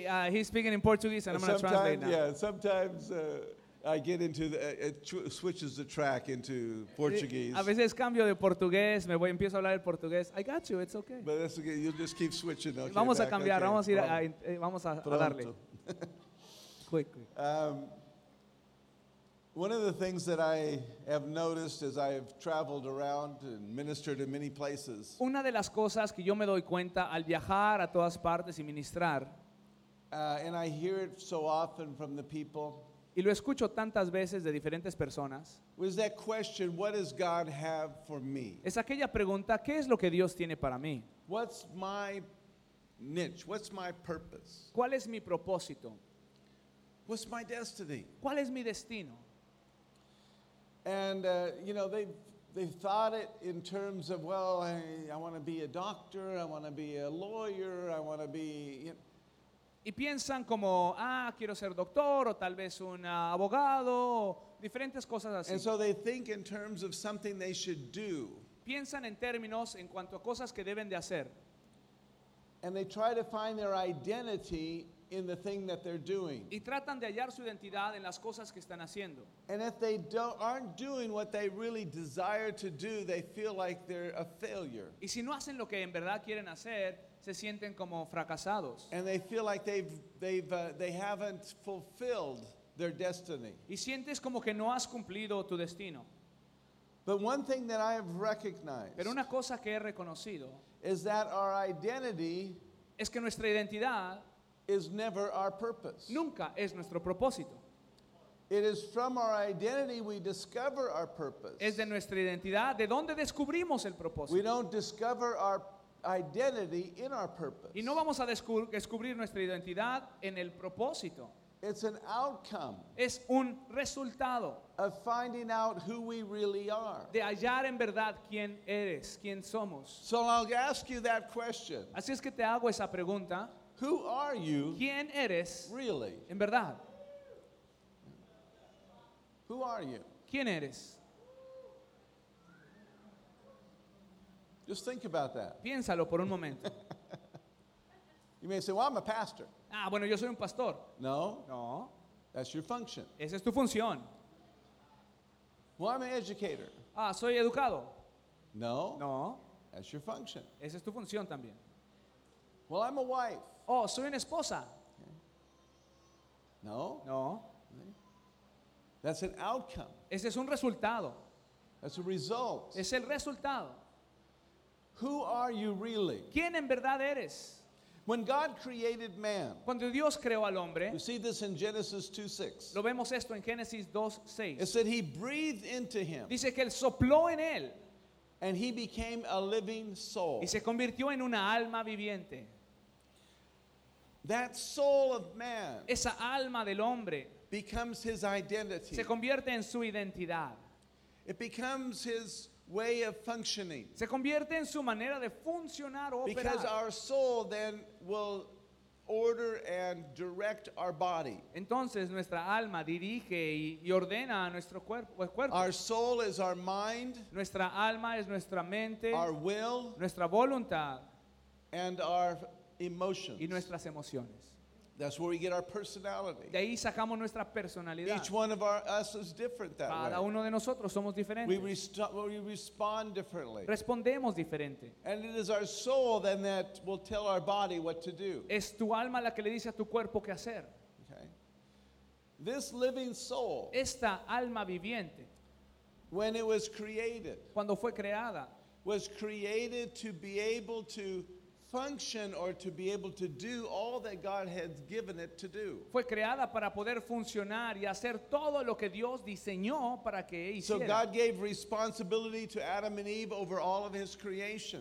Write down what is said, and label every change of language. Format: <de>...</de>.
<en>He's speaking in Portuguese, and I'm going to translate now. Yeah, sometimes I get into switches the track into Portuguese.</en> <es>A veces cambio de portugués, empiezo a hablar el portugués.</es> <en>I got you, it's okay. But that's okay, you'll just keep switching. Okay,</en> <es>vamos</es> <en>back.</en> <es>A cambiar,</es> <en>okay.</en> <es>Vamos a ir vamos a darle. Quick.</es> <en>One of the things that I have noticed as I have traveled around and ministered in many places.</en> <es>Una de las cosas que yo me doy cuenta al viajar a todas partes y ministrar.</es> <en>And I hear it so often from the people.</en> <es>Y lo escucho tantas veces de diferentes personas.</es> <en>Was that question, what does God have for me?</en> <es>Es aquella pregunta, ¿qué es lo que Dios tiene para mí?</es> <en>What's my niche? What's my purpose?</en> <es>¿Cuál es mi propósito?</es> <en>What's my destiny?</en> <es>¿Cuál es mi destino?</es> <en>And you know, they thought it in terms of, well, I want to be a doctor, I want to be a lawyer, I want to be, you know,</en> <es>y piensan como, ah, quiero ser doctor, o tal vez un abogado, o diferentes cosas así.</es> <en>And so they think in terms of something they should do.</en> <es>Piensan en términos en cuanto a cosas que deben de hacer.</es> <en>And they try to find their identity in the thing that they're doing.</en> <es>Y tratan de hallar su identidad en las cosas que están haciendo.</es> <en>And if they aren't doing what they really desire to do, they feel like they're a failure.</en> <es>Y si no hacen lo que en verdad quieren hacer, se sienten como fracasados.</es> <en>And they feel like they haven't fulfilled their destiny.</en> <es>Y sientes como que no has cumplido tu destino.</es> <en>But one thing that I have recognized,</en> <es>pero una cosa que he reconocido,</es> <en>is that our identity,</en> <es>es que nuestra identidad,</es> <en>is never our purpose.</en> <es>Nunca es nuestro propósito.</es> <en>It is from our identity we discover our purpose.</en> <es>Es de nuestra identidad de donde descubrimos el propósito.</es> <en>We don't discover our identity in our purpose.</en> <es>Y no vamos a descubrir nuestra identidad en el propósito.</es> <en>It's an outcome.</en> <es>Es un resultado.</es> <en>Of finding out who we really are.</en> <es>De hallar en verdad quién eres, quién somos.</es> <en>So I'll ask you that question.</en> <es>Así es que te hago esa pregunta.</es> <en>Who are you?</en> <es>¿Quién eres?</es> <en>Really.</en> <es>En verdad.</es> <en>Who are you?</en> <es>¿Quién eres?</es> <en>Just think about that.</en> <es>Piénsalo por un momento.</es> <en>You may say, "Well, I'm a pastor."</en> <es>Ah, bueno, yo soy un pastor.</es> <en>No.</en> <es>No.</es> <en>That's your function.</en> <es>Esa es tu función.</es> <en>Well, I'm an educator.</en> <es>Ah, soy educado.</es> <en>No.</en> <es>No.</es> <en>That's your function.</en> <es>Esa es tu función también.</es> <en>Well, I'm a wife.</en> <es>Oh, soy una esposa.</es> <en>No.</en> <es>No.</es> <en>That's an outcome.</en> <es>Ese es un resultado.</es> <en>That's a result.</en> <es>Es el resultado.</es> <en>Who are you really?</en> <es>¿Quién en verdad eres?</es> <en>When God created man,</en> <es>cuando Dios creó al hombre,</es> <en>you see this in Genesis 2:6.</en> <es>Lo vemos esto en Génesis 2:6.</es> <en>It said he breathed into him.</en> <es>Dice que él sopló en él.</es> <en>And he became a living soul.</en> <es>Y se convirtió en una alma viviente.</es> <en>That soul of man,</en> <es>esa alma del hombre,</es> <en>becomes his identity.</en> <es>Se convierte en su identidad.</es> <en>It becomes his way of functioning.</en> <es>Se convierte en su manera de funcionar o operar.</es> <en>Because our soul then will order and direct our body.</en> <es>Entonces nuestra alma dirige y ordena a nuestro cuerpo.</es> <en>Our soul is our mind.</en> <es>Nuestra alma es nuestra mente.</es> <en>Our will.</en> <es>Nuestra voluntad.</es> <en>And our emotions.</en> <es>Y nuestras emociones.</es> <en>That's where we get our personality.</en> <es>De ahí sacamos nuestra personalidad.</es> <en>Each one of us is different that way.</en> <es>Cada uno de nosotros somos diferentes.</es> <en>We respond differently.</en> <es>Respondemos diferente.</es> <en>And it is our soul then that will tell our body what to do.</en> <es>Es tu alma la que le dice a tu cuerpo qué hacer.</es> <en>Okay. This living soul.</en> <es>Esta alma viviente.</es> <en>When it was created.</en> <es>Cuando fue creada.</es> <en>Was created to be able to function or to be able to do all that God has given it to do.</en> <es>Fue creada para poder funcionar y hacer todo lo que Dios diseñó para que hiciera.</es> <en>So God gave responsibility to Adam and Eve over all of his creation.</en>